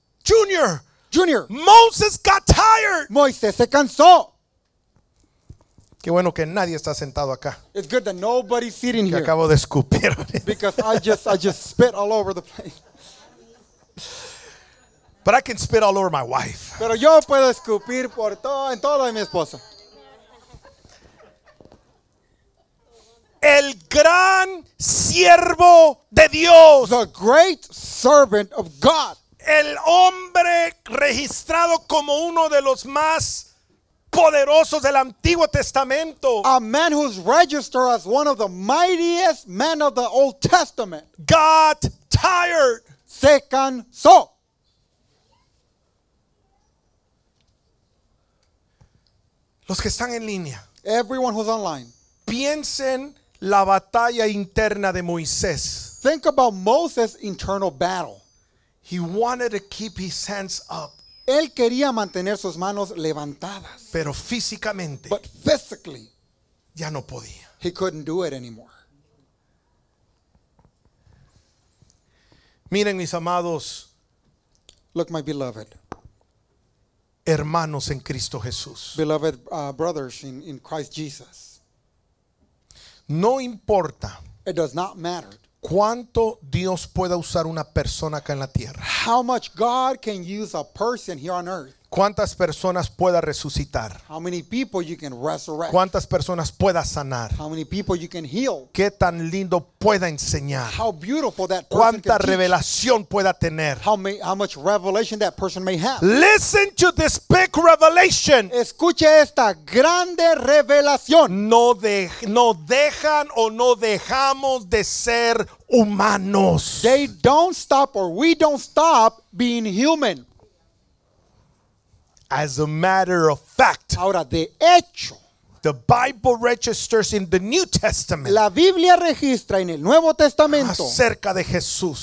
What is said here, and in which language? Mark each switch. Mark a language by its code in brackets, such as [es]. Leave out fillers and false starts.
[en] Junior. Moses got tired. [es] Moisés se cansó. Qué bueno que nadie está sentado acá. [en] It's good that nobody's sitting [es] que [en] here. [es] Acabo de escupir. [en] Because I just spit all over the place. But I can spit all over my wife. [es] Pero yo puedo escupir por todo en toda mi esposa. El gran siervo de Dios. [en] The great servant of God. [es] El hombre registrado como uno de los más poderosos del Antiguo Testamento. [en] A man who's registered as one of the mightiest men of the Old Testament. Got tired. [es] Se cansó. Los que están en línea. [en] Everyone who's online. [es] Piensen la batalla interna de Moisés. [en] Think about Moses' internal battle. He wanted to keep his hands up. [es] Él quería mantener sus manos levantadas. Pero físicamente. [en] But physically. [es] Ya no podía. [en] He couldn't do it anymore. [es] Miren, mis amados. [en] Look, my beloved. [es] Hermanos en Cristo Jesús. [en] Beloved brothers in Christ Jesus. [es] No importa. [en] It does not matter. [es] Cuánto Dios pueda usar una persona acá en la tierra. [en] How much God can use a person here on earth. [es] Cuántas personas pueda resucitar. [en] How many people you can resurrect. [es] Cuántas personas pueda sanar. [en] How many people you can heal. [es] Qué tan lindo pueda enseñar. [en] How beautiful that person [es] cuánta [en] can [es] revelación [en] teach. [es] Pueda tener. [en] How much revelation that person may have. Listen to this big revelation. [es] Escuche esta grande revelación. No dejan o no dejamos de ser humanos. [en] They don't stop or we don't stop being human. As a matter of fact. [es] Ahora, de hecho. [en] The Bible registers in the New Testament. [es] La Biblia registra en el Nuevo Testamento. Acerca de Jesús.